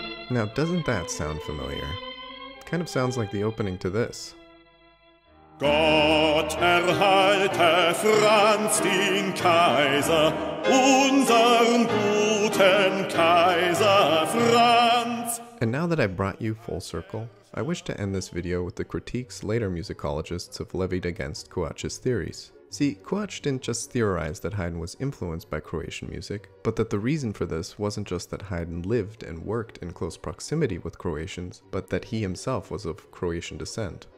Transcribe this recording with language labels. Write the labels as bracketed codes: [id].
[en] Now, doesn't that sound familiar? Kind of sounds like the opening to this. [de] Gott erhalte Franz den Kaiser, unseren guten Kaiser Franz. [en] And now that I've brought you full circle, I wish to end this video with the critiques later musicologists have levied against Kuch's theories. See, Kuch didn't just theorize that Haydn was influenced by Croatian music, but that the reason for this wasn't just that Haydn lived and worked in close proximity with Croatians, but that he himself was of Croatian descent.